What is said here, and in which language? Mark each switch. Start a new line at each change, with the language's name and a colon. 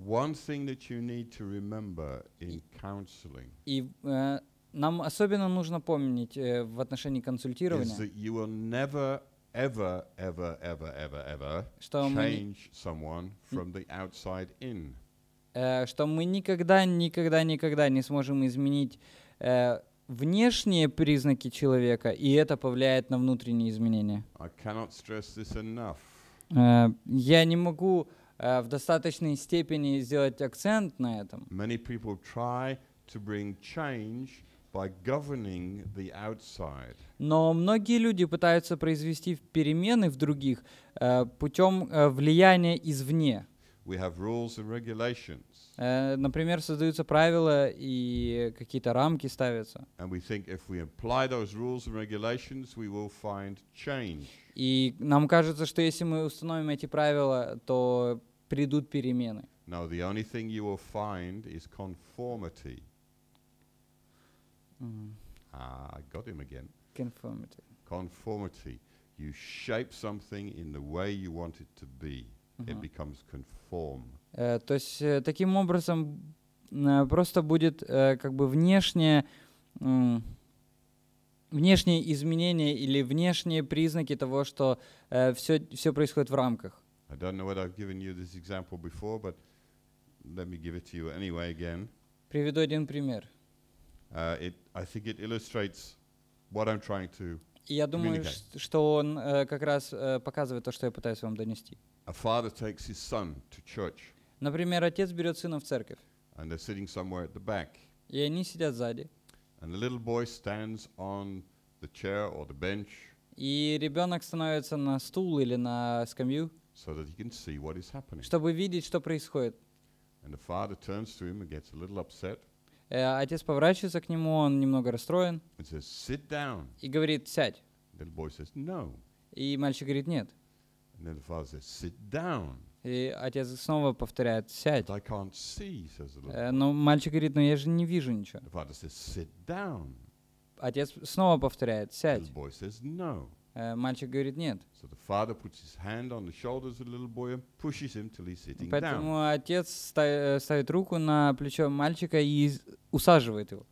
English: One thing that you need to remember in counseling.
Russian: И нам особенно нужно помнить в отношении консультирования.
English: Is that you will never, ever, ever, ever, ever, ever change someone from the outside in.
Russian: Что мы никогда, никогда, никогда не сможем изменить внешние признаки человека, и это повлияет на внутренние изменения.
English: I cannot stress this enough.
Russian: Я не могу в достаточной степени сделать акцент на этом.
English: Many people try to bring change by governing the outside.
Russian: Но многие люди пытаются произвести перемены в других путем влияния извне.
English: We have rules and regulations.
Russian: Например, создаются правила и какие-то рамки ставятся.
English: And we think if we apply those rules and regulations, we will find change.
Russian: И нам кажется, что если мы установим эти правила, то придут перемены.
English: No, the only thing you will find is conformity. I got him again. Conformity. Conformity. You shape something in the way you want it to be. It becomes conform.
Russian: То есть таким образом просто будет как бы внешние изменения или внешние признаки того, что все происходит в рамках.
English: I don't know whether I've given you this example before, but let me give it to you anyway again.
Russian: Приведу один пример.
English: I think it illustrates what I'm trying to.
Russian: Я думаю, что он как раз показывает то, что я пытаюсь вам донести.
English: A father takes his son to church.
Russian: Например, отец берет сына в церковь.
English: And they're sitting somewhere at the back.
Russian: И они сидят сзади.
English: And the little boy stands on the chair or the bench.
Russian: И ребенок становится на стул или на скамью.
English: So that he can see what is happening.
Russian: Чтобы видеть, что происходит.
English: And the father turns to him and gets a little upset.
Russian: Отец поворачивается к нему, он немного расстроен.
English: And says, sit down.
Russian: И говорит, сядь.
English: The little boy says, no.
Russian: И мальчик говорит, нет.
English: And then the father says, sit down.
Russian: И отец снова повторяет, сядь.
English: But I can't see, says the little boy.
Russian: Но мальчик говорит, но я же не вижу ничего.
English: The father says, sit down.
Russian: Отец снова повторяет, сядь.
English: The boy says, no.
Russian: Мальчик говорит, нет.
English: So the father puts his hand on the shoulders of the little boy and pushes him till he's sitting
Russian: Поэтому Поэтому отец ставит руку на плечо мальчика и усаживает его.